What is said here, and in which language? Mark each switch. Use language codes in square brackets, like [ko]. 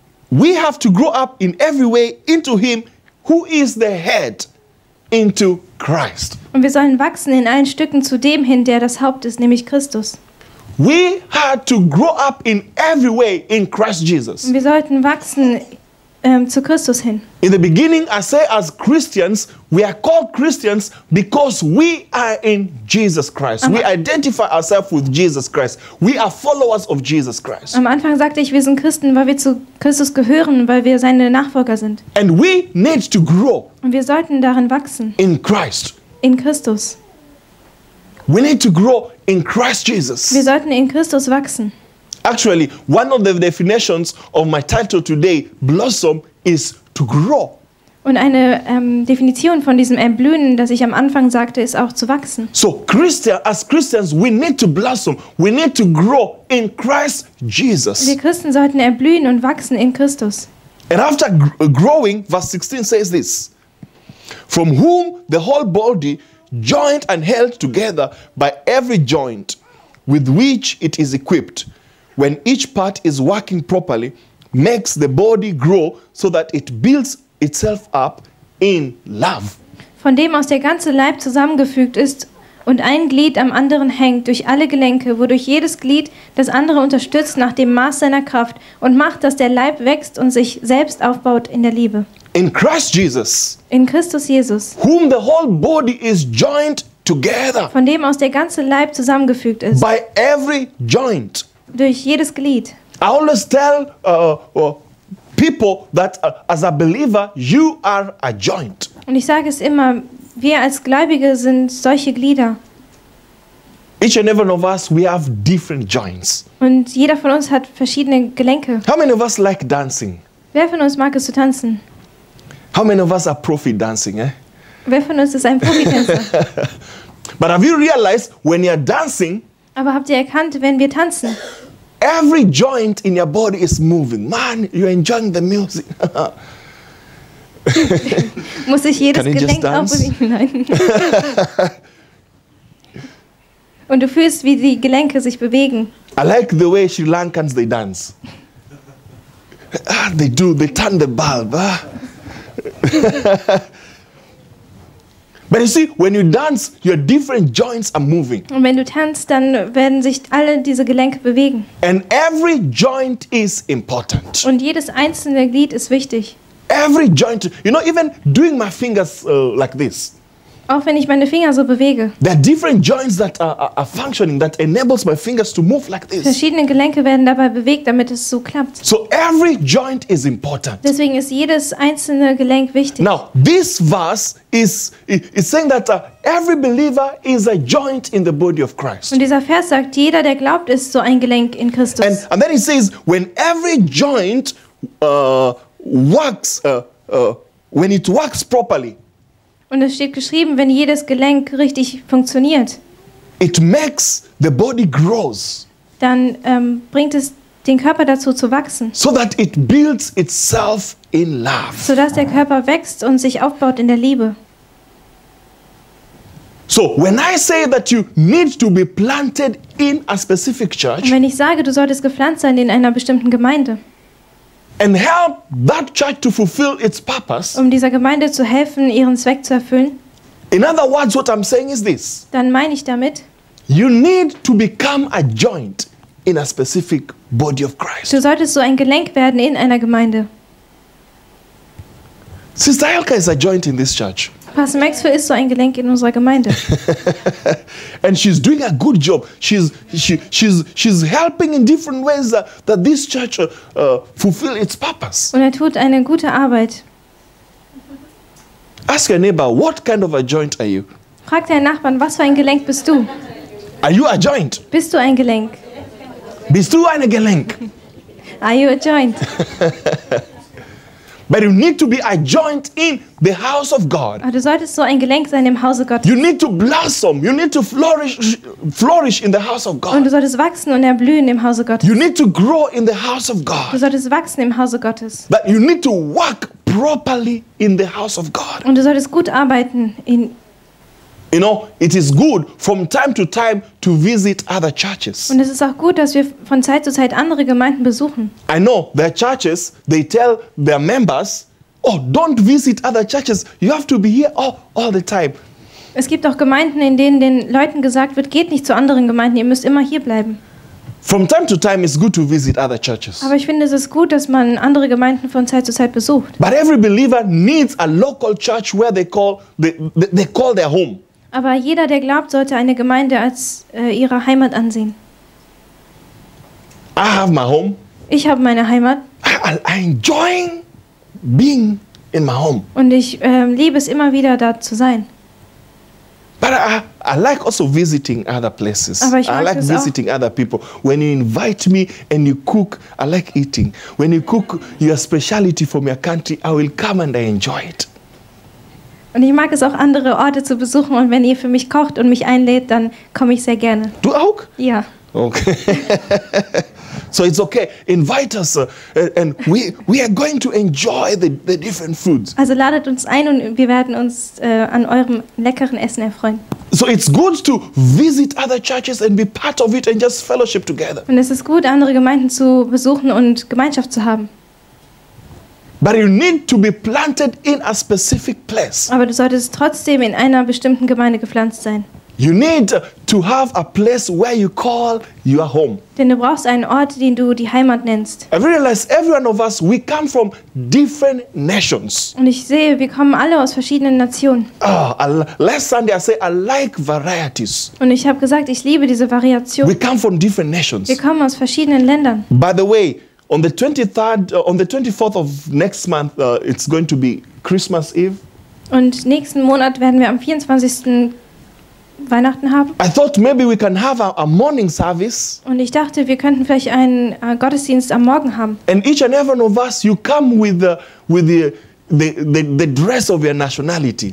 [en] We have to grow up in every way into him who is the head, into Christ. [de] Und wir sollen wachsen in allen Stücken zu dem hin, der das Haupt ist, nämlich Christus. [en] We had to grow up in every way in Christ Jesus. [de] Wir sollten wachsen zu Christus hin. [en] In the beginning, I say as Christians, we are called Christians because we are in Jesus Christ. We identify ourselves with Jesus Christ. We are followers of Jesus Christ. [de] Am Anfang sagte ich, wir sind Christen, weil wir zu Christus gehören, weil wir seine Nachfolger sind. [en] And we need to grow. [de] Und wir sollten darin wachsen. [en] In Christ. [de] In Christus. [en] We need to grow in Christ Jesus. [de] Wir sollten in Christus wachsen. [en] Actually, one of the definitions of my title today, Blossom, is to grow. [de] Und eine Definition von diesem Erblühen, das ich am Anfang sagte, ist auch zu wachsen. [en] So, as Christians, we need to blossom. We need to grow in Christ Jesus. [de] Wir Christen sollten erblühen und wachsen in Christus. [en] And after growing, verse 16 says this. From whom the whole body, joined and held together by every joint with which it is equipped, when each part is working properly, makes the body grow so that it builds itself up in love. [de] Von dem aus der ganze Leib zusammengefügt ist und ein Glied am anderen hängt durch alle Gelenke, wodurch jedes Glied das andere unterstützt nach dem Maß seiner Kraft und macht, dass der Leib wächst und sich selbst aufbaut in der Liebe. [en] In Christ Jesus. [de] In Christus Jesus. [en] Whom the whole body is joined together. [de] Von dem aus der ganze Leib zusammengefügt ist. [en] By every joint. [de] Durch jedes Glied. [en] I always tell people that as a believer you are a joint. [de] Und ich sage es immer, wir als Gläubige sind solche Glieder. [en] Each and every one of us, we have different joints. [de] Und jeder von uns hat verschiedene Gelenke. [en] How many of us like dancing? [de] Wer von uns mag es zu tanzen? [en] How many of us are profi dancing, eh? [de] Wer von uns ist ein Profi-Tänzer? [en] But have you realized when you're dancing? [de] Aber habt ihr erkannt, wenn wir tanzen? [en] Every joint in your body is moving. Man, you're enjoying the music. [de] Muss ich jedes Gelenk auch bewegen? Nein. Und du fühlst, wie die Gelenke sich bewegen. [en] I like the way Sri Lankans they dance. They turn the bulb. But you see, when you dance, your different joints are moving. [de] Und wenn du tanzt, dann werden sich alle diese Gelenke bewegen. [en] And every joint is important. [de] Und jedes einzelne Glied ist wichtig. [en] Every joint, you know, even doing my fingers like this. [de] Auch wenn ich meine Finger so bewege. [en] There are different joints that are functioning that enables my fingers to move like this. [de] Verschiedene Gelenke werden dabei bewegt, damit es so klappt. [en] So every joint is important. [de] Deswegen ist jedes einzelne Gelenk wichtig. [en] Now this verse is saying that every believer is a joint in the body of Christ. [de] Und dieser Vers sagt, jeder, der glaubt, ist so ein Gelenk in Christus. [en] And then he says, when every joint when it works properly. [de] Und es steht geschrieben, wenn jedes Gelenk richtig funktioniert, [en] it makes the body grows, [de] dann bringt es den Körper dazu zu wachsen, [en] so that it builds itself in love. [de] Sodass der Körper wächst und sich aufbaut in der Liebe. [en] So, when I say that you need to be planted in a specific church, [de] und wenn ich sage, du solltest gepflanzt sein in einer bestimmten Gemeinde, [en] and help that church to fulfill its purpose. [de] Um dieser Gemeinde zu helfen, ihren Zweck zu erfüllen. [en] In other words, what I'm saying is this. [de] Dann meine ich damit. [en] You need to become a joint in a specific body of Christ. [de] Du solltest so ein Gelenk werden in einer Gemeinde. [en] Sister Elka is a joint in this church. [de] Pastor Maxwell ist so ein Gelenk in unserer Gemeinde. [en] And she's doing a good job. She's helping in different ways that this church fulfill its purpose. [de] Und er tut eine gute Arbeit. [en] Ask your neighbor, what kind of a joint are you? [de] Frag deinen Nachbarn, was für ein Gelenk bist du? [en] Are you a joint? [de] Bist du ein Gelenk? Bist du ein Gelenk? [en] Are you a joint? But you need to be a joint in the house of God. [de] Du solltest so ein Gelenk sein im Hause Gottes. [en] You need to blossom. You need to flourish in the house of God. [de] Und du solltest wachsen und erblühen im Hause Gottes. [en] You need to grow in the house of God. [de] Du solltest wachsen im Hause Gottes. [en] But you need to work properly in the house of God. [de] Und du solltest gut arbeiten in. [en] You know, it is good from time to time to visit other churches. [de] Und es ist auch gut, dass wir von Zeit zu Zeit andere Gemeinden besuchen. [en] I know their churches, they tell their members, oh, don't visit other churches. You have to be here all the time. [de] Es gibt auch Gemeinden, in denen den Leuten gesagt wird, geht nicht zu anderen Gemeinden, ihr müsst immer hier bleiben. [en] From time to time it's good to visit other churches. [de] Aber ich finde es ist gut, dass man andere Gemeinden von Zeit zu Zeit besucht. [en] But every believer needs a local church where they call their home. [de] Aber jeder, der glaubt, sollte eine Gemeinde als ihre Heimat ansehen. [en] I have my home. [de] Ich habe meine Heimat. [en] I enjoy being in my home. [de] Und ich liebe es immer wieder, da zu sein. [en] But I like also visiting other places. [de] Aber ich [en] I like visiting [de] auch. [en] Other people. When you invite me and you cook, I like eating. When you cook your speciality from your country, I will come and I enjoy it. [de] Und ich mag es auch, andere Orte zu besuchen. Und wenn ihr für mich kocht und mich einlädt, dann komme ich sehr gerne. Du auch? Ja. [en] Okay. So it's okay. Invite us and we are going to enjoy the different foods. [de] Also ladet uns ein und wir werden uns an eurem leckeren Essen erfreuen. [en] So it's good to visit other churches and be part of it and just fellowship together. [de] Und es ist gut, andere Gemeinden zu besuchen und Gemeinschaft zu haben. [en] But you need to be planted in a specific place. [de] Aber du solltest trotzdem in einer bestimmten Gemeinde gepflanzt sein. [en] You need to have a place where you call your home. [de] Denn du brauchst einen Ort, den du die Heimat nennst. [en] I realize every one of us, we come from different nations. [de] Und ich sehe, wir kommen alle aus verschiedenen Nationen. [en] Last Sunday I said I like varieties. [de] Und ich habe gesagt, ich liebe diese Variation. [en] We come from different nations. [de] Wir kommen aus verschiedenen Ländern. [en] By the way, on the 23rd, on the 24th of next month, it's going to be Christmas Eve. [de] Und nächsten Monat werden wir am 24. Weihnachten haben. [en] I thought maybe we can have a morning service. [de] Und ich dachte, wir könnten vielleicht einen Gottesdienst am Morgen haben. [en] And each and every one of us, you come with the dress of your nationality.